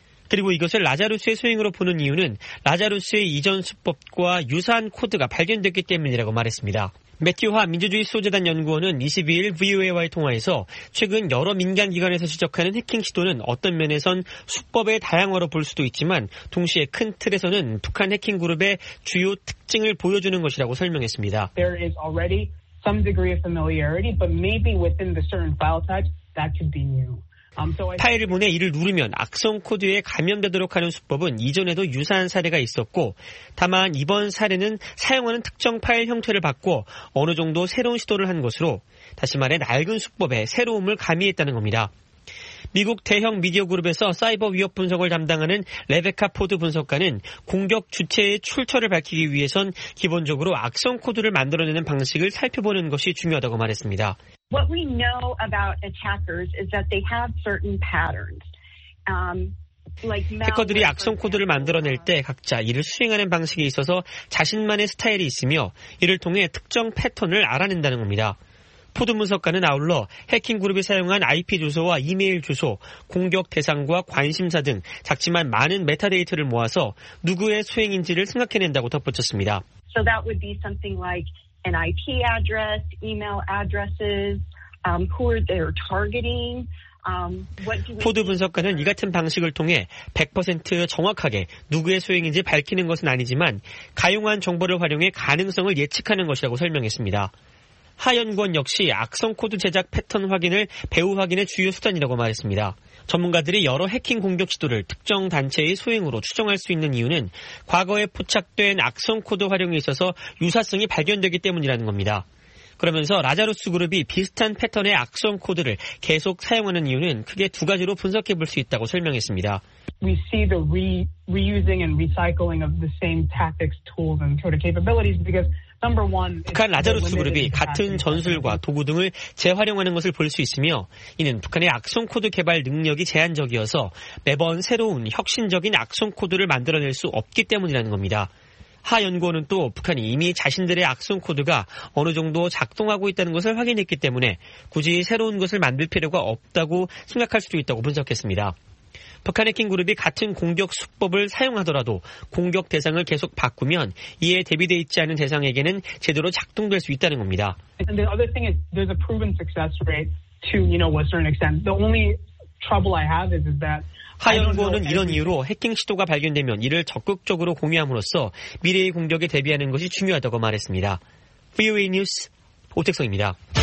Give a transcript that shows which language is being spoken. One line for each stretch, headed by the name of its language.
Korean: 그리고 이것을 라자루스의 소행으로 보는 이유는 라자루스의 이전 수법과 유사한 코드가 발견됐기 때문이라고 말했습니다. 매튜화 민주주의 수호재단 연구원은 22일 VOA와의 통화에서 최근 여러 민간기관에서 지적하는 해킹 시도는 어떤 면에선 수법의 다양화로 볼 수도 있지만 동시에 큰 틀에서는 북한 해킹 그룹의 주요 특징을 보여주는 것이라고 설명했습니다.
English: There is already some degree of familiarity, but maybe within the certain file types, that could be new.
Korean: 파일문에 이를 누르면 악성 코드에 감염되도록 하는 수법은 이전에도 유사한 사례가 있었고 다만 이번 사례는 사용하는 특정 파일 형태를 바꿔 어느 정도 새로운 시도를 한 것으로 다시 말해 낡은 수법에 새로움을 가미했다는 겁니다. 미국 대형 미디어 그룹에서 사이버 위협 분석을 담당하는 레베카 포드 분석가는 공격 주체의 출처를 밝히기 위해선 기본적으로 악성 코드를 만들어내는 방식을 살펴보는 것이 중요하다고 말했습니다.
English: What we know about attackers is that they have certain patterns.
Korean: 해커들이 악성 코드를 만들어낼 때 각자 이를 수행하는 방식에 있어서 자신만의 스타일이 있으며 이를 통해 특정 패턴을 알아낸다는 겁니다. 포드 분석가는 아울러 해킹 그룹이 사용한 IP 주소와 이메일 주소, 공격 대상과 관심사 등 작지만 많은 메타 데이터를 모아서 누구의 수행인지를 생각해낸다고 덧붙였습니다.
English: So that would be something like an IP address, email addresses, who are they targeting.
Korean: 포드 분석가는 이 같은 방식을 통해 100% 정확하게 누구의 수행인지 밝히는 것은 아니지만 가용한 정보를 활용해 가능성을 예측하는 것이라고 설명했습니다. 하 연구원 역시 악성 코드 제작 패턴 확인을 배후 확인의 주요 수단이라고 말했습니다. 전문가들이 여러 해킹 공격 시도를 특정 단체의 소행으로 추정할 수 있는 이유는 과거에 포착된 악성 코드 활용에 있어서 유사성이 발견되기 때문이라는 겁니다. 그러면서 라자루스 그룹이 비슷한 패턴의 악성 코드를 계속 사용하는 이유는 크게 두 가지로 분석해 볼 수 있다고 설명했습니다.
English: We see the reusing and recycling of the same tactics, tools, and sort of capabilities because
Korean: 북한 라자루스 그룹이 같은 전술과 도구 등을 재활용하는 것을 볼 수 있으며 이는 북한의 악성 코드 개발 능력이 제한적이어서 매번 새로운 혁신적인 악성 코드를 만들어낼 수 없기 때문이라는 겁니다. 하 연구원은 또 북한이 이미 자신들의 악성 코드가 어느 정도 작동하고 있다는 것을 확인했기 때문에 굳이 새로운 것을 만들 필요가 없다고 생각할 수도 있다고 분석했습니다. 북한 해킹 그룹이 같은 공격 수법을 사용하더라도 공격 대상을 계속 바꾸면 이에 대비돼 있지 않은 대상에게는 제대로 작동될 수 있다는 겁니다.
English: And the other thing is there's a proven success rate to, you know, a certain extent. The only trouble I have is that
Korean: 하 연구원은 이런 이유로 해킹 시도가 발견되면 이를 적극적으로 공유함으로써 미래의 공격에 대비하는 것이 중요하다고 말했습니다. VOA 뉴스 오택성입니다.